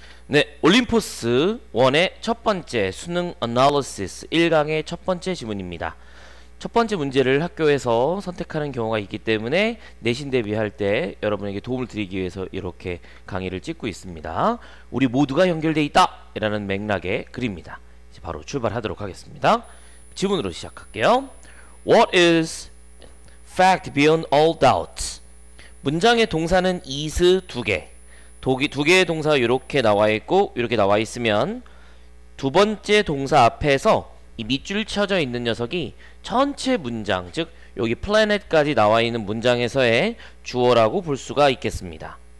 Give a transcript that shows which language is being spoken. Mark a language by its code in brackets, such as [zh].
[ko] 네, 올림포스 1의 첫 번째 수능 analysis 1강의 첫 번째 지문입니다. 첫 번째 문제를 학교에서 선택하는 경우가 있기 때문에 내신 대비할 때 여러분에게 도움을 드리기 위해서 이렇게 강의를 찍고 있습니다. 우리 모두가 연결돼 있다! 라는 맥락의 글입니다. 이제 바로 출발하도록 하겠습니다. 지문으로 시작할게요. [en] What is fact beyond all doubts? [ko] 문장의 동사는 is 두 개. 두 개의 동사 이렇게 나와 있고 이렇게 나와 있으면 두 번째 동사 앞에서 이 밑줄 쳐져 있는 녀석이 전체 문장, 즉 여기 planet까지 나와 있는 문장에서의 주어라고 볼 수가 있겠습니다.